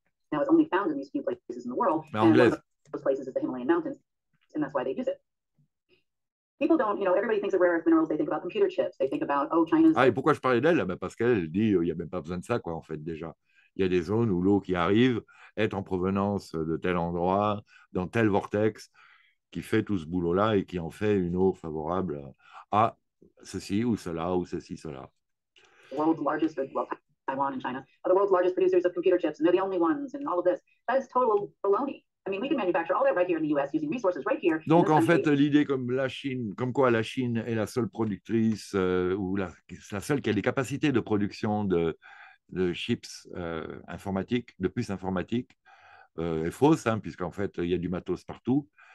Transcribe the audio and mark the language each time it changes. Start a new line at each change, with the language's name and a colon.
English: Now it's only found in these few places in the world.
French: Mais anglaise.
English: And one of those places is the Himalayan mountains, and that's why they use it. People don't, you know, everybody thinks of rare earth minerals, they think about computer chips, they think about, oh, China's...
French: Ah, et pourquoi je parlais d'elle? Parce qu'elle dit, il n'y a même pas besoin de ça, quoi, en fait, déjà. Il y a des zones où l'eau qui arrive est en provenance de tel endroit, dans tel vortex, qui fait tout ce boulot-là et qui en fait une eau favorable à ceci ou cela, ou ceci, cela.
English: The world's largest, well, Taiwan and China, are the world's largest producers of computer chips, and they're the only ones, and all of this. That is total baloney. I mean, we can manufacture all that right here in the U.S. using resources right here.
French: Donc, en fait, l'idée comme la Chine, comme quoi la Chine est la seule productrice ou la seule qui a les capacités de production de chips informatiques, de puces informatiques, est fausse, hein, puisqu'en fait, il y a du matos partout.